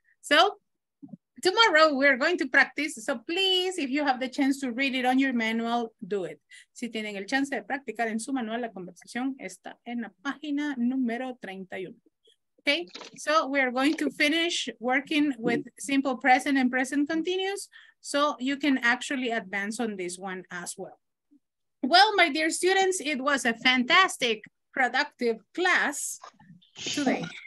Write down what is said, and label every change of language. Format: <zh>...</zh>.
<en>So, tomorrow we're going to practice, so please, if you have the chance to read it on your manual, do it.</en> <es>Si tienen el chance de practicar en su manual, la conversación está en la página número 31.</es> <en>Okay, so we're going to finish working with simple present and present continuous, so you can actually advance on this one as well. Well, my dear students, it was a fantastic, productive class today.</en>